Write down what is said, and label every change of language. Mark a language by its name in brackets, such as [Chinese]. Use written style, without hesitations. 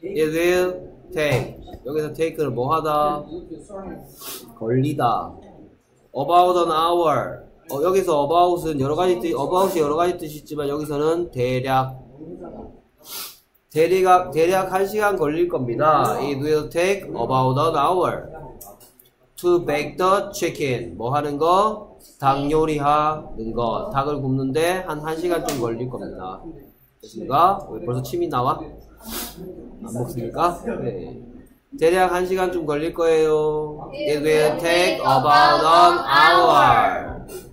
[English] It will take. [Korean] 여기서 take를 뭐 하다? 걸리다. [English] About an hour. [Korean] 여기서 about은 여러 가지 뜻, about이 여러 가지 뜻이 있지만 여기서는 대략. 대략 한 시간 걸릴 겁니다. [English] It will take about an hour to bake the chicken. [Korean] 뭐 하는 거? 닭 요리하는 거. 닭을 굽는데 한 시간 좀 걸릴 겁니다. 됐습니까? 왜 벌써 침이 나와? 안 먹습니까? 네. 대략 한 시간 좀 걸릴 거예요. [English] It will take about an hour.